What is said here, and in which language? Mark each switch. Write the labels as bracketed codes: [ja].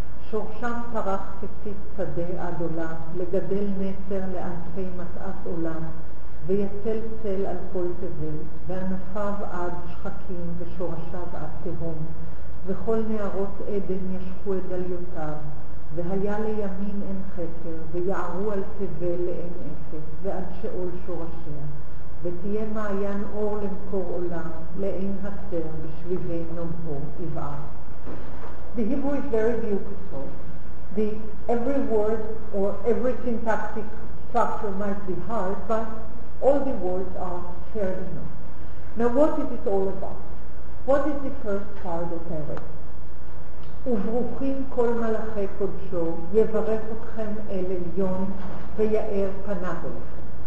[he] שורשם פרח כציץ שדה עד עולם, לגדל נצר לענפי מטעת עולם, ויצל צל על כל תבל, וענפיו עד שחקים ושורשיו עד תהום, וכל נערות עדן ישקו את דליותיו, והיה לימים אין חקר, ויערו על תבל לאין עקב, ועד שאול שורשיה. ותהיה מעיין אור למקור עולם, לאין הסר בשביבי נומו יבער. [en] The Hebrew is very beautiful. Every word or every syntactic structure might be hard, but all the words are fair enough. Now what is it all about? What is the first part of Eretz? [he] וברוכים כל מלאכי קודשו, יברך אתכם אל עליון ויאר פניו אליכם.